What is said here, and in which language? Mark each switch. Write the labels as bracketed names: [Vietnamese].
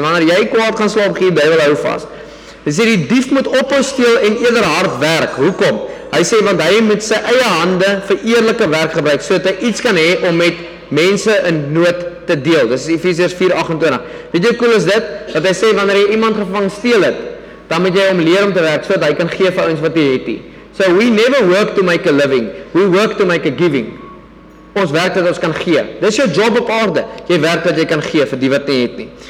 [Afrikaans] Wanneer jy kwaad gaan slaap gee, die duivel hou vas. Hy sê die dief moet ophou steel en eerder hard werk. Hoekom? Hy sê want hy moet sy eie hande vir eerlike werk gebruik sodat hy iets kan hê om met mense in nood te deel. Dis Efesiërs 4:28. Weet jy cool is dit? Dat hy sê wanneer jy iemand gevang steel het, dan moet jy hom leer om te werk sodat hy kan gee vir ouens wat hy het. [English] So we never work to make a living. We work to make a giving. [Afrikaans] Ons werk dat ons kan gee. Dis jou job op aarde. Jy werk dat jy kan gee vir die wat nie het nie.